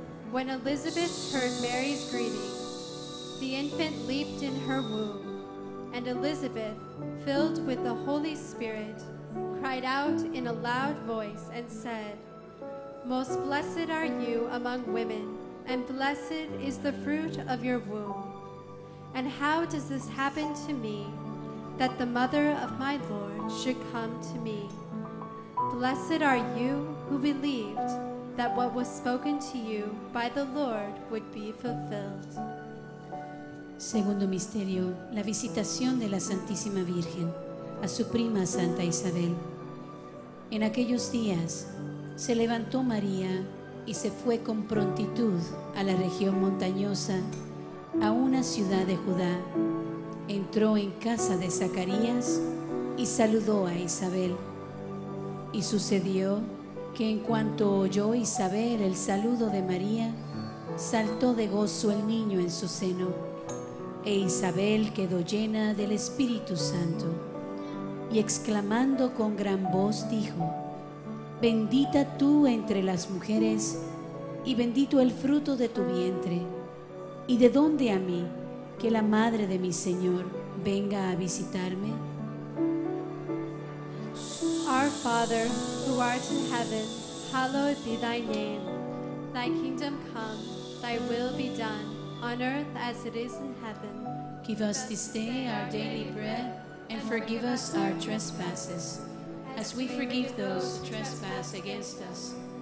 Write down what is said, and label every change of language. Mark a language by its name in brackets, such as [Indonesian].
[English] When Elizabeth heard Mary's greeting, the infant leaped in her womb, and Elizabeth, filled with the Holy Spirit, cried out in a loud voice and said, "Most blessed are you among women, and blessed is the fruit of your womb. And how does this happen to me, that the mother of my Lord should come to me? Blessed are you who believed that what was spoken to you by the Lord would be fulfilled." [Spanish] Segundo misterio, la visitación de la Santísima Virgen a su prima Santa Isabel. En aquellos días, se levantó María y se fue con prontitud a la región montañosa, a una ciudad de Judá. Entró en casa de Zacarías y saludó a Isabel. Y sucedió que en cuanto oyó Isabel el saludo de María, saltó de gozo el niño en su seno, e Isabel quedó llena del Espíritu Santo, y exclamando con gran voz dijo: "Bendita tú entre las mujeres, y bendito el fruto de tu vientre. ¿Y de dónde a mí que la madre de mi Señor venga a visitarme?" [English] Our Father, who art in heaven, hallowed be thy name. Thy kingdom come, thy will be done, on earth as it is in heaven. Give us this day our daily bread, and forgive us our trespasses, as we forgive those who trespass against us.